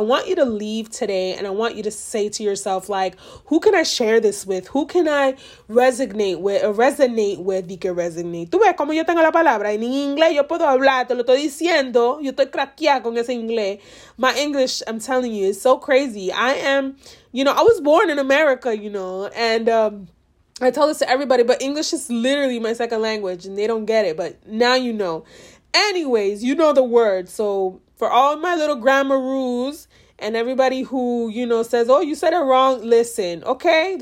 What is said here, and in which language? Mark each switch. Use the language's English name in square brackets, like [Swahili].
[English] I want you to leave today and I want you to say to yourself, like, who can I share this with? Who can I resonate with? [Spanish] Tú ves como yo tengo la palabra. En inglés yo puedo hablar, te lo estoy diciendo. Yo estoy craqueada con ese inglés. [English] My English, I'm telling you, is so crazy. I am, you know, I was born in America, you know, and I tell this to everybody, but English is literally my second language and they don't get it. But now you know. Anyways, you know the word. So for all my little grammar rules and everybody who, you know, says, oh, you said it wrong, listen, okay?